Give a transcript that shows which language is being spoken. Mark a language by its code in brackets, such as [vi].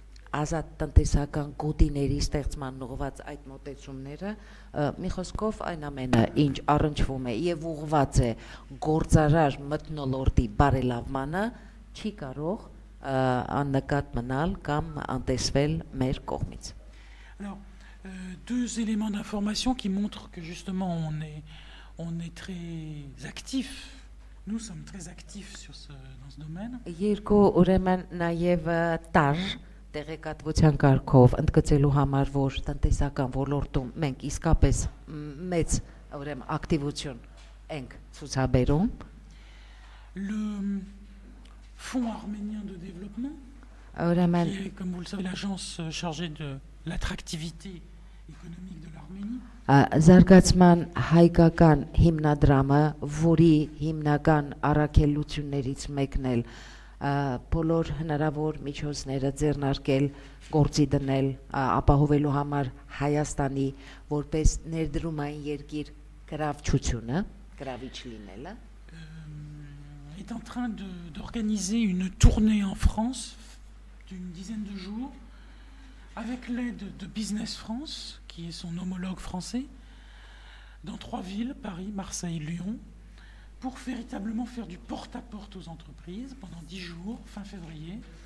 [hy] ազատ տնտեսական գոտիների ստեղծման ուղված այդ մոտեցումները, մի խոսքով այն ամենը, ինչ առնչվում է եւ ուղված է գործարար մթնոլորտի բարելավմանը, չի կարող աննկատ մնալ կամ անտեսվել մեր կողմից։ [fr] Alors, deux éléments d'information qui montrent que justement on est très actif. Nous sommes très actifs sur ce dans ce domaine. [hy] Երկու ուրեմն նաեւ տար տեղեկատվության կարգով ընդգծելու համար, որ տնտեսական ոլորտում մենք իսկապես մեծ ուրեմն ակտիվություն ենք ցուցաբերում, [fr] le fonds arménien de développement, ուրեմն comme vous le savez l'agence chargée de l'attractivité économique de l'Arménie, [hy] զարգացման հայկական հիմնադրամը, որի հիմնական առաքելություններից մեկն է բոլոր հնարավոր միջոցները ձեռնարկել, գործի դնել ապահովելու համար Հայաստանի որպես ներդրումային երկիր գրավչությունը, գրավիչ լինելը, [fr] est en train d'organiser une tournée en France d'une dizaine de jours avec l'aide de Business France qui est son homologue français dans trois villes, Paris, Marseille, Lyon, pour véritablement faire du porte-à-porte aux entreprises pendant 10 jours, fin février,